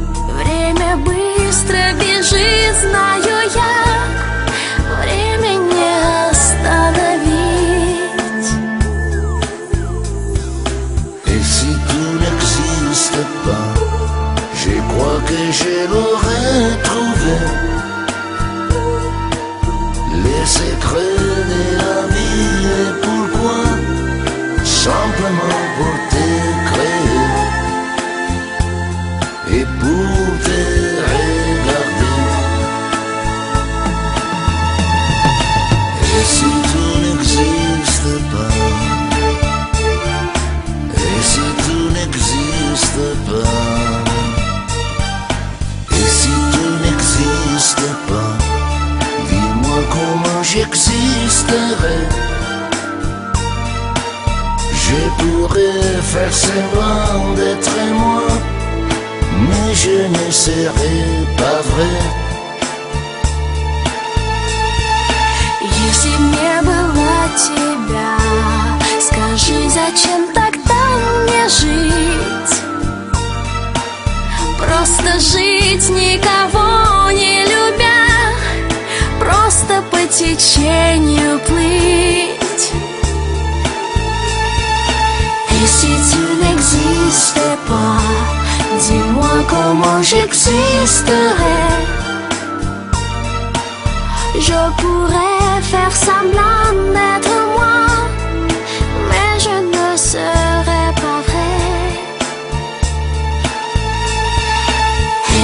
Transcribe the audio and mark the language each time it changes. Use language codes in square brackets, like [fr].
[ru] Время быстро бежит, знаю я, время не остановить. [fr] Et si tu n'existes pas, je crois que je l'aurais trouvé. Les secrets de la vie, pourquoi? Simplement pour te créer et pour te regarder. Et si tu n'existes pas, et si tu n'existes pas, et si tu n'existes pas, dis-moi comment j'existerai. Je pourrais faire semblant d'être moi, mais je ne serai pas vrai. [ru] Если б не было тебя, скажи, зачем тогда мне жить? Просто жить, никого не любя, просто по течению плыть. [fr] Si tu n'existais pas, dis-moi comment j'existerais. Je pourrais faire semblant d'être moi, mais je ne serais pas vrai.